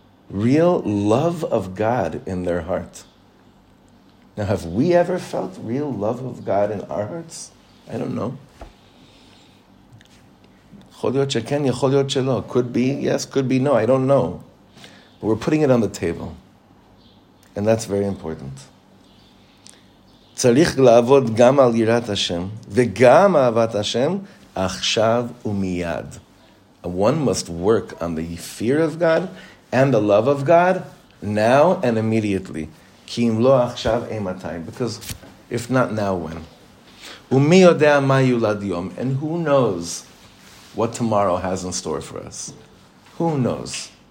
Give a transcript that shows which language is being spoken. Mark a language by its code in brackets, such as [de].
[en] real love of God in their heart. Now, have we ever felt real love of God in our hearts? I don't know. Could be, yes, could be, no, I don't know. But we're putting it on the table. And that's very important. [he] צריך לעבוד גם על יראת השם וגם אהבת השם עכשיו ומיד. [en] One must work on the fear of God and the love of God now and immediately. [he] כי אם לא עכשיו אימתי. [en] Because if not now, when? [he] ומי יודע מה יולד יום? [en] And who knows what tomorrow has in store for us? Who knows?